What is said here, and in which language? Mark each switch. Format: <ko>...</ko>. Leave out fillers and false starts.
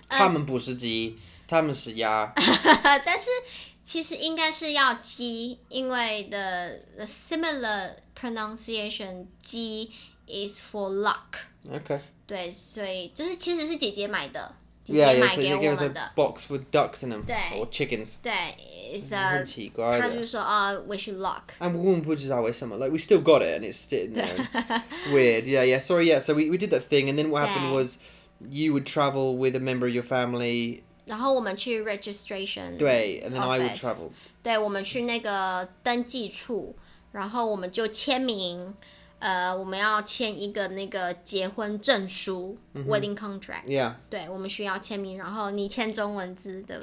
<zh>他们不是鸡，他们是鸭。但是其实应该是要鸡，因为</zh> <en>the similar pronunciation</en> <zh>鸡</zh> <en>is for luck。 Okay。</en> <zh>对，所以就是其实是姐姐买的。</zh> <en>Yeah, yeah, so they gave us a box with ducks in them, or chickens. 对, it's a...</en> <zh>很奇怪的。他就说,</zh> <en>wish you luck. And</en> <zh>我们不知道为什么,</zh> <en>like, we still got it, and it's sitting there. Weird, yeah, yeah, sorry, yeah, so we did that thing, and then what happened was, you would travel with a member of your family.</en> <zh>然后我们去 registration</zh> <en>对, and then I would travel.</en> <zh>对, 我们去那个登记处, 然后我们就签名, 我们要签一个那个结婚证书、 mm-hmm.</zh> <en>wedding contract、 yeah.</en> <zh>对我们需要签名然后你签中文字对不</zh>